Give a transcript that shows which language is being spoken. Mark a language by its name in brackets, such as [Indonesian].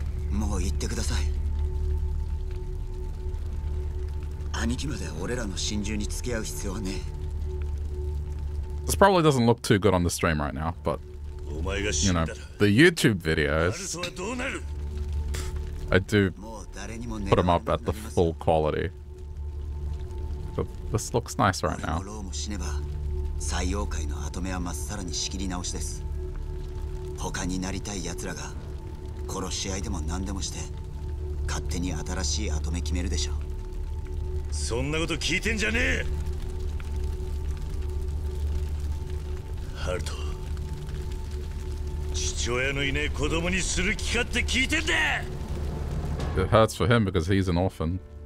[Japanese] もう言ってください。兄貴まで俺らの心中に付き合う必要はねえ。 [English] This probably doesn't look too good on the stream right now, but, you know, the YouTube videos, I do put them up at the full quality. But this looks nice right now. [Japanese] ハルト、父親のいねえ子供にする気かって聞いてんだ。 [English] It hurts for him because he's an orphan.